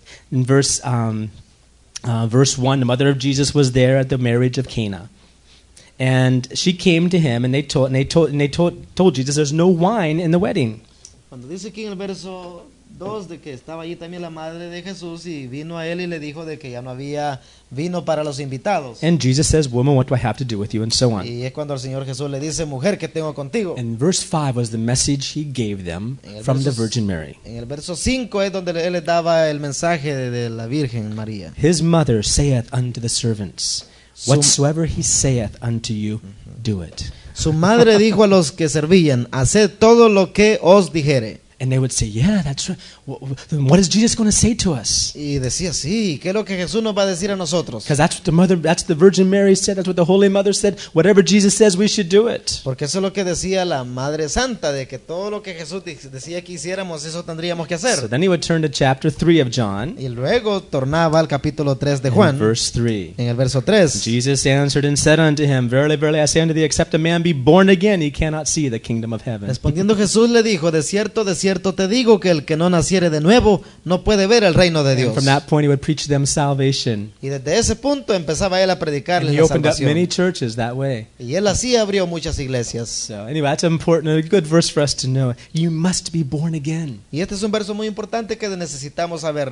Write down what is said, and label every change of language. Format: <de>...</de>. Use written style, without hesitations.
<en>In verse 1, the mother of Jesus was there at the marriage of Cana. And she came to him and they told Jesus there's no wine in the wedding.</en> <es>Cuando dice aquí en el verso 2 de que estaba allí también la madre de Jesús y vino a él y le dijo de que ya no había vino para los invitados.</es> <en>And Jesus says, "Woman, what do I have to do with you?" and so on.</en> <es>Y es cuando el Señor Jesús le dice, "Mujer, ¿qué tengo contigo?"</es> <en>And verse 5 was the message he gave them from the Virgin Mary.</en> <es>En el verso 5 es donde él les daba el mensaje de la Virgen María.</es> <en>His mother saith unto the servants, "Whatsoever he saith unto you, do it."</en> <es>Su madre dijo a los que servían, "Haced todo lo que os dijere."</es> <en>And they would say, yeah, that's right. Then what is Jesus going to say to us?</en> <es>Y decía, sí, ¿qué es lo que Jesús nos va a decir a nosotros?</es> <en>Because that's what the mother, that's the Virgin Mary said, that's what the Holy Mother said, whatever Jesus says, we should do it.</en> <es>Porque eso es lo que decía la Madre Santa, de que todo lo que Jesús decía que hiciéramos, eso tendríamos que hacer.</es> <en>So then he would turn to chapter 3 of John.</en> <es>Y luego tornaba al capítulo 3 de Juan.</es> <en>In verse 3.</en> <es>En el verso 3.</es> <en>Jesus answered and said unto him, verily, verily, I say unto thee, except a man be born again, he cannot see the kingdom of heaven.</en> <es>Respondiendo Jesús le dijo, de cierto, cierto te digo que el que no naciere de nuevo no puede ver el reino de Dios.</es> <en>From that point he would preach them salvation.</en> <es>Y desde ese punto empezaba él a predicarles la salvación.</es> <en>He opened up many churches that way.</en> <es>Y él así abrió muchas iglesias.</es> <en>So anyway, that's important, a good verse for us to know. You must be born again.</en> <es>Y este es un verso muy importante que necesitamos saber.</es>